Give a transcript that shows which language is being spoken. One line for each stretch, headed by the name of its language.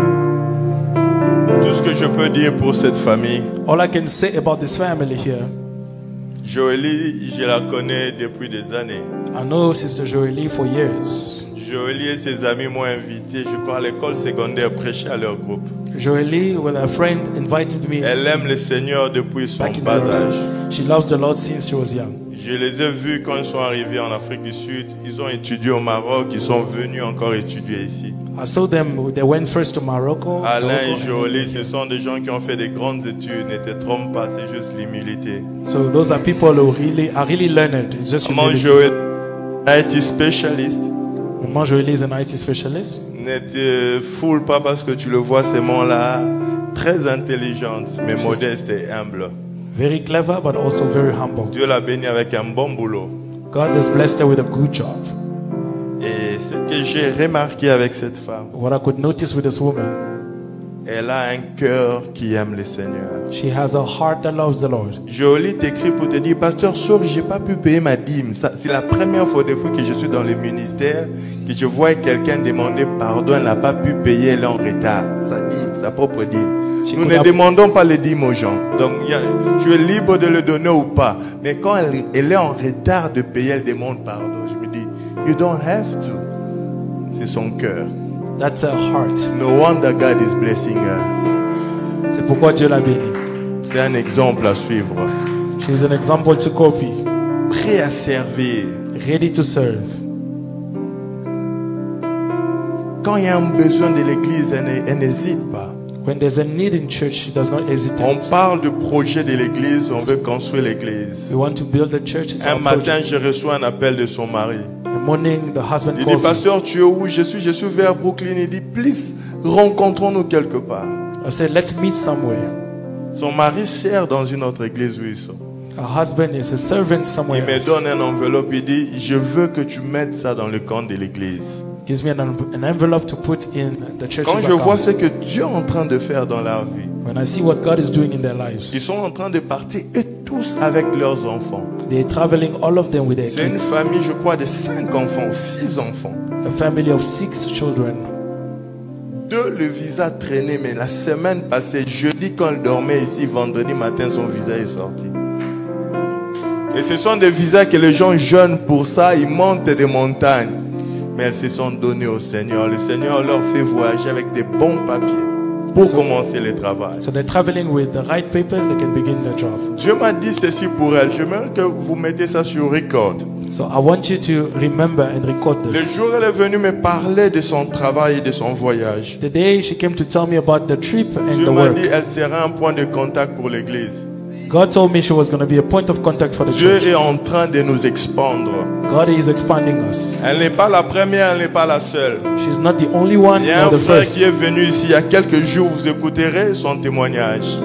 French: Tout ce que je peux dire pour cette famille.
English: All I can say about this family here.
French: Joëlie, je la connais depuis des années.
English: I know Sister Joëlie for years.
French: Joëlie et ses amis m'ont invité, je crois, à l'école secondaire prêcher à leur groupe.
English: Joëlie, with a friend, invited me.
French: Elle aime le Seigneur depuis son bas âge.
English: She loves the Lord since she was young.
French: Je les ai vus quand ils sont arrivés en Afrique du Sud. Ils ont étudié au Maroc. Ils sont venus encore étudier ici.
English: I saw them. They went first to Morocco.
French: Alain et Jolie, ce sont des gens qui ont fait des grandes études. Ne te trompe pas, c'est juste l'humilité.
English: So those are people who are really learned. It's just
French: Maman
English: humility. Maman Jolie, IT specialist. Maman Jolie is an IT specialist.
French: Ne te foule pas parce que tu le vois ces mots-là. Très intelligente, mais modeste et humble.
English: Very clever, but also very humble.
French: Dieu l'a bénie avec un bon boulot.
English: God has blessed her with a good job.
French: Et ce que j'ai remarqué avec cette femme,
English: what I could notice with this woman,
French: elle a un cœur qui aime le Seigneur.
English: She has a heart that loves the Lord.
French: Jolie t'écrit pour te dire, Pasteur Sour, j'ai pas pu payer ma dîme. Ça, c'est la première fois depuis que je suis dans le ministère que je vois quelqu'un demander pardon. Elle n'a pas pu payer, elle est en retard. Sa dîme, sa propre dîme. Nous ne demandons pas les dîmes aux gens. Donc, tu es libre de le donner ou pas. Mais quand elle est en retard de payer, elle demande pardon. Je me dis,
English: you don't have to.
French: C'est son cœur.
English: That's her heart. No wonder God is blessing her.
French: C'est pourquoi Dieu l'a béni. C'est un exemple à suivre.
English: She's an example to copy.
French: Prêt à servir.
English: Ready to serve.
French: Quand il y a un besoin de l'église, elle n'hésite pas.
English: When there's a need in church, she does not hesitate.
French: On parle du projet de l'église, on veut construire l'église.
English: We want to build the church. It's
French: un matin,
English: project.
French: Je reçois un appel de son mari.
English: The morning, the husband
French: calls. Il dit, Pasteur, tu es où? Je suis vers Brooklyn. Il dit,
English: please,
French: rencontrons-nous quelque part.
English: I said, let's meet somewhere.
French: Son mari sert dans une autre église où ils sont.
English: Her husband is a servant somewhere.
French: Il me donne un enveloppe. Il dit, je veux que tu mettes ça dans le compte de l'église.
English: Gives me an envelope to put in the church's
French: Quand je
English: account.
French: Vois ce que Dieu est en train de faire dans leur vie,
English: when I see what God is doing in their lives,
French: ils sont en train de partir et tous avec leurs enfants.
English: They're traveling all of them with their
French: C'est C'est une famille, je crois, de 5 enfants, 6 enfants.
English: A family of 6 children.
French: Deux, le visa traînait, mais la semaine passée, jeudi quand ils dormaient ici, vendredi matin, son visa est sorti. Et ce sont des visas que les gens jeûnent pour ça, ils montent des montagnes. Mais elles se sont données au Seigneur. Le Seigneur leur fait voyager avec des bons papiers pour commencer le travail.
English: So they're traveling with the right papers, they can begin the job.
French: Dieu m'a dit ceci pour elles. J'aimerais que vous mettiez ça sur record.
English: So I want you to remember and record this.
French: Le jour elle est venue me parler de son travail et de son voyage.
English: The day she came to tell me about the trip and
French: Dieu
English: the work.
French: Dieu m'a dit elle sera un point de contact pour l'église.
English: God told me she was going to be a point of contact for the
French: Dieu
English: church.
French: Est en train de nous expandre.
English: God is expanding us.
French: Elle n'est pas la première, elle n'est pas la seule.
English: She's not the only one.
French: Il y a un frère
English: first.
French: Qui est venu ici il y a quelques jours, vous écouterez son témoignage.